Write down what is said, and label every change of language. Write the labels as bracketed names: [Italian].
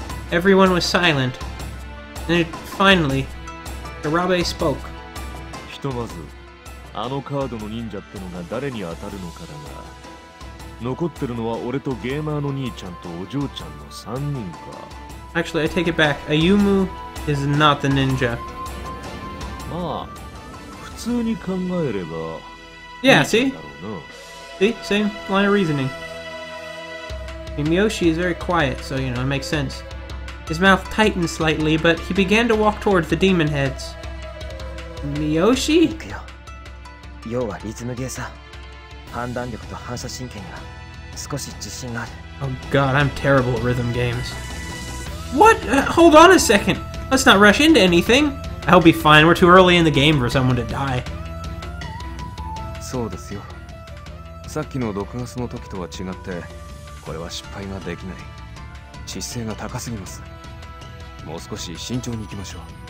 [English] Everyone was silent. And it finally...Arabe spoke. [Japanese] とまずあのカードの忍者ってのが誰に当たるのかだが、残ってるのは俺とゲーマーの兄ちゃんとお嬢ちゃんの3人か。 [English] Actually, I take it back. Ayumu is not the ninja. [Japanese] まあ、普通に考えれば。 [English] Yeah, see? See? Same line of reasoning. Miyoshi is very quiet, so you know, it makes sense. His mouth tightened slightly, but he began to walk towards the demon heads. Miyoshi? [Japanese] 行くよ。要はリズムゲーさ。判断力と反射神経には少し自信がある。 [English] Oh god, I'm terrible at rhythm games. What?、hold on a second! Let's not rush into anything! I'll be fine, we're too early in the game for someone to die. [Japanese] そうですよ。さっきの毒ガスの時とは違って、これは失敗ができない。姿勢が高すぎます。もう少し慎重に行きましょう。